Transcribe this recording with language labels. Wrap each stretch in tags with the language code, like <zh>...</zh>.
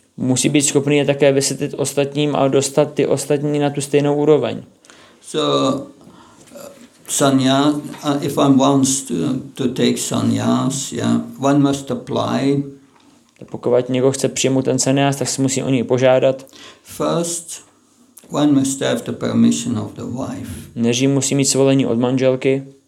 <cs>Musí být schopný je také vysvětlit ostatním a dostat ty ostatní na tu stejnou úroveň.</cs> <en>So sannyas, if one wants to take sannyas, yeah, one must apply.</en> <cs>Pokud někdo chce přijmout ten sannyas, tak se musí o něj požádat.</cs> <en>First, one must have the permission of the wife.</en> <cs>Nejdřív musí mít svolení od manželky.</cs>